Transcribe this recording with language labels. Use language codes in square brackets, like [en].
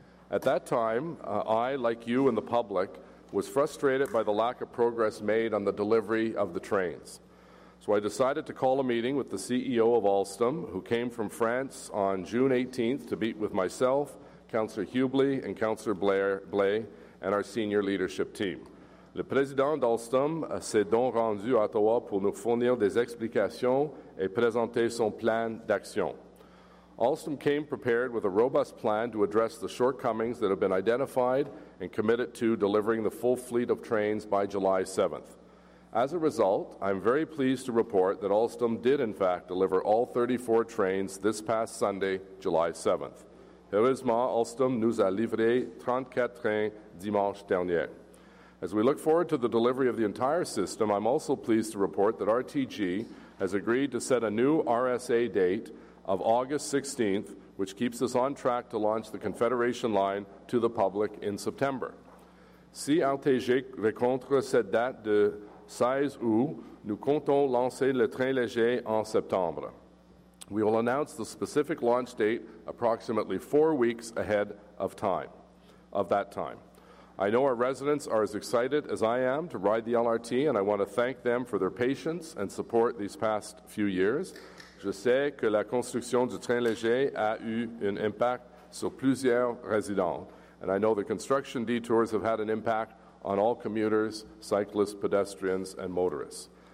[en] At that time, I, like you and the public, was frustrated by the lack of progress made on the delivery of the trains. So I decided to call a meeting with the CEO of Alstom, who came from France on June 18th to meet with myself, Councillor Hubley, and Councillor Blais, and our senior leadership team. [fr] Le président d'Alstom s'est donc rendu à Ottawa pour nous fournir des explications et présenter son plan d'action. [en] Alstom came prepared with a robust plan to address the shortcomings that have been identified and committed to delivering the full fleet of trains by July 7th. As a result, I'm very pleased to report that Alstom did in fact deliver all 34 trains this past Sunday, July 7th. [fr] Heureusement, Alstom nous a livré 34 trains dimanche dernier. [en] As we look forward to the delivery of the entire system, I'm also pleased to report that RTG has agreed to set a new RSA date of August 16th, which keeps us on track to launch the Confederation Line to the public in September. [fr] Si RTG rencontre cette date de 16 août, nous comptons lancer le train léger en septembre. [en] We will announce the specific launch date approximately 4 weeks ahead of time, of that time. I know our residents are as excited as I am to ride the LRT, and I want to thank them for their patience and support these past few years. [fr] Je sais que la construction du train léger a eu un impact sur plusieurs résidents, [en] and I know the construction detours have had an impact on all commuters, cyclists, pedestrians, and motorists.